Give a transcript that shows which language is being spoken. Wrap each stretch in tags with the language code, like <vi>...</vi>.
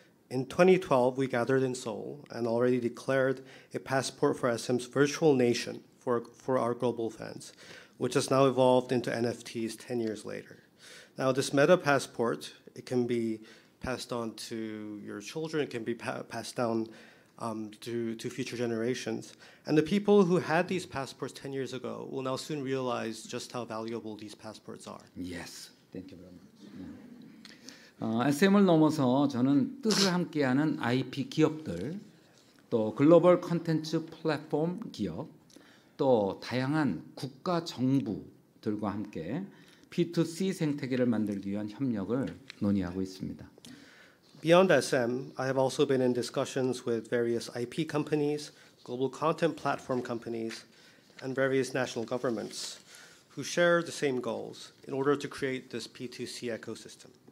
<en>In 2012, we gathered in Seoul and already declared a passport for SM's virtual nation for our global fans, which has now evolved into NFTs 10 years later. Now, this Meta Passport it can be passed on to your children, it can be passed down to future generations. And the people who had these passports 10 years ago will now soon realize just how valuable these passports are. Yes, thank you very much.</en> <ko>SM을 넘어서 저는 뜻을 함께하는 IP 기업들, 또 글로벌 콘텐츠 플랫폼 기업, 또 다양한 국가 정부들과 함께 P2C 생태계를 만들기 위한 협력을 논의하고 있습니다.</ko> <en>Beyond SM, I have also been in discussions with various IP companies, global content platform companies, and various national governments who share the same goals in order to create this P2C ecosystem.</en>